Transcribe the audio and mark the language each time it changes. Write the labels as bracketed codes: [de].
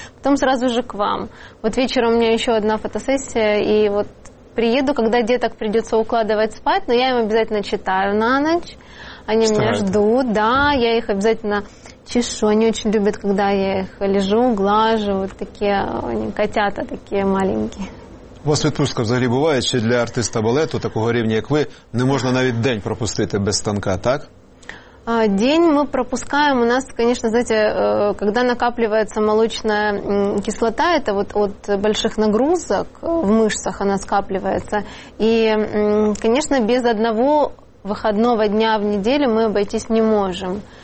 [ru] Потом сразу же к вам. Вот вечером у меня еще одна фотосессия. И вот приеду, когда деток придется укладывать спать, но я им обязательно читаю на ночь. Они меня ждут. Да, я их обязательно чешу. Они очень любят, когда я их лежу, глажу. Вот такие они, котята такие маленькие. [uk] У вас відпустка взагалі буває, чи для артиста балету такого рівня, як ви, не можна навіть день пропустити без станка, так? [ru] День мы пропускаем, у нас, конечно, знаете, когда накапливается молочная кислота, это вот от больших нагрузок в мышцах она скапливается, и, конечно, без одного выходного дня в неделю мы обойтись не можем.